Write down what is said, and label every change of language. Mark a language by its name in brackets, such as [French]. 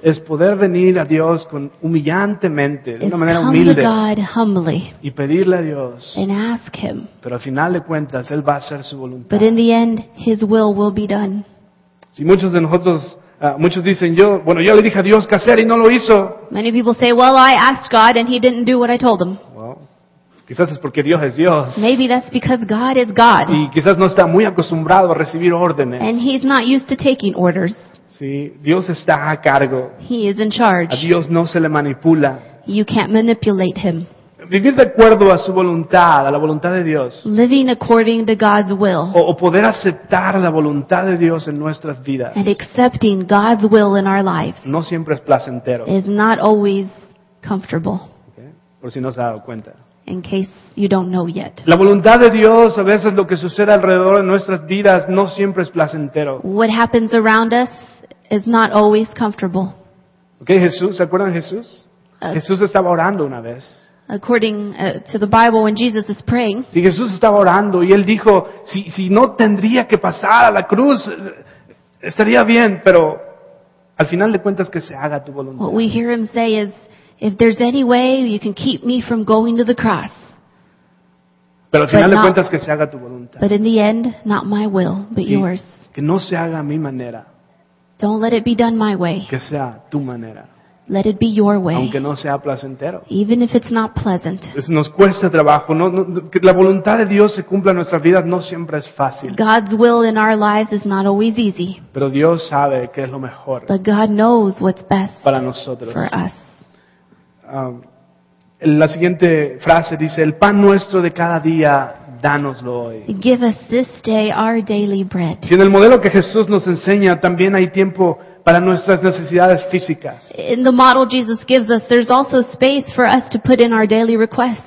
[Spanish] es poder venir a Dios con humillantemente, de una manera humilde, [English] come to God humbly, [Spanish] y pedirle a Dios, [English] and ask Him, [Spanish] pero al final de cuentas, Él va a hacer su voluntad. [English] But in the end, His will be done. [Spanish] Si muchos de nosotros, muchos dicen, yo le dije a Dios qué hacer y no lo hizo. [English] Many people say, well, I asked God and He didn't do what I told Him. [Spanish] Quizás es porque Dios es Dios. [English] Maybe that's because God is God. [Spanish] Y quizás no está muy acostumbrado a recibir órdenes. [English] And He's not used to taking orders. [Spanish] Sí, Dios está a cargo. [English] He is in charge. [Spanish] A Dios no se le manipula. [English] You can't manipulate Him. [Spanish] Vivir de acuerdo a su voluntad, a la voluntad de Dios. [English] Living according to God's will. [Spanish] O poder aceptar la voluntad de Dios en nuestras vidas. [English] And accepting God's will in our lives. [Spanish] No siempre es placentero. [English] Is not always comfortable. [Spanish] Okay. Por si no se ha dado cuenta. [English] in case you don't know yet. [Spanish] La voluntad de Dios, a veces lo que sucede alrededor de nuestras vidas no siempre es placentero. [English] What happens around us is not always comfortable. [Spanish] Okay, Jesús, ¿se acuerdan de Jesús? Jesús estaba orando una vez. [English] According to the Bible, when Jesus is praying, [Spanish] si Jesús estaba orando y él dijo, si no tendría que pasar a la cruz, estaría bien, pero al final de cuentas que se haga tu voluntad. [English] What we hear him say is, if there's any way you can keep me from going to the cross. [Spanish] Pero al final de cuentas que se haga tu voluntad. [English] But in the end, not my will, but [Spanish] sí, [English] yours. [Spanish] Que no se haga a mi manera. [English] Don't let it be done my way. [Spanish] Que sea tu manera. [English] Let it be your way. [Spanish] Aunque no sea placentero. [English] Even if it's not pleasant. [Spanish] Nos cuesta trabajo. Que la voluntad de Dios se cumpla en nuestras vidas no siempre es fácil. [English] God's will in our lives is not always easy. [Spanish] Pero Dios sabe qué es lo mejor. [English] But God knows what's best [Spanish] para nosotros. [English] For us. [Spanish] La siguiente frase dice, el pan nuestro de cada día, dánoslo hoy. [English] Give us this day our daily bread. [Spanish] Si en el modelo que Jesús nos enseña, también hay tiempo para nuestras necesidades físicas. [English] In the model Jesus gives us, there's also space for us to put in our daily requests.